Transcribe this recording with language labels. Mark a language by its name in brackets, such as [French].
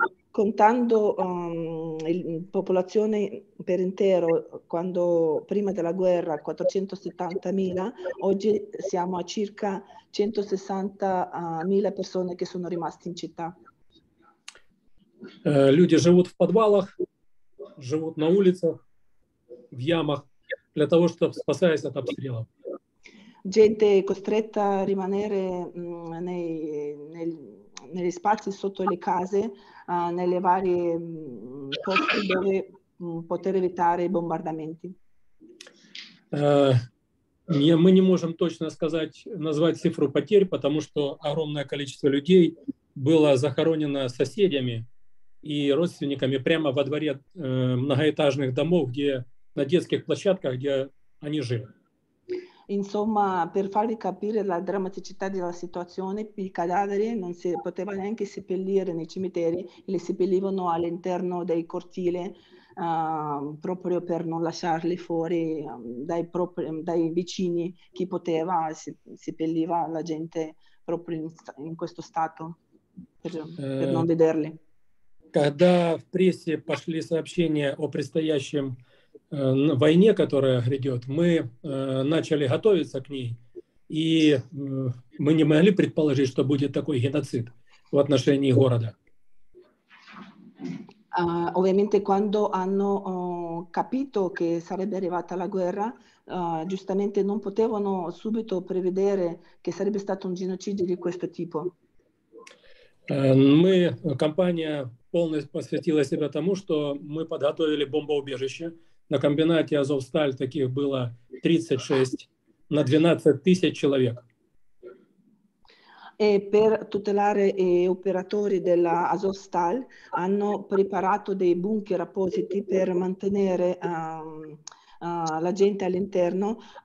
[Italian] Contando popolazione per intero, quando prima della guerra 470.000, oggi siamo a circa 160.000 persone che sono rimaste in città. [Russian] Люди живут в подвалах, живут на улицах, в ямах, для того, чтобы спасаясь от обстрелов. [Italian] Gente costretta a rimanere negli spazi sotto le case, nelle varie posti dove poter evitare i bombardamenti. [Russian] Мы не можем точно сказать, назвать цифру потерь, потому что огромное количество людей было захоронено соседями и родственниками прямо во дворе многоэтажных домов, где на детских площадках, где они жили. [Italian] Insomma, per farvi capire la drammaticità della situazione, i cadaveri non si poteva neanche seppellire nei cimiteri, li seppellivano all'interno dei cortili, proprio per non lasciarli fuori dai vicini. Chi poteva seppelliva la gente proprio in questo stato, per non vederli. [Russian] Когда в прессе пошли сообщения о предстоящем войне, которая грядет, мы начали готовиться к ней, и мы не могли предположить, что будет такой геноцид в отношении города. [Italian] Ovviamente, quando hanno capito che sarebbe arrivata la guerra, giustamente non potevano subito prevedere che sarebbe stato un genocidio di questo tipo. [Russian] Мы, компания полностью посвятила себя тому, что мы подготовили бомбоубежище. На комбинате Азовсталь таких было 36 на 12 тысяч человек. [Italian] E per tutelare gli operatori della Azovstal hanno preparato dei bunker appositi per mantenere la gente all'interno.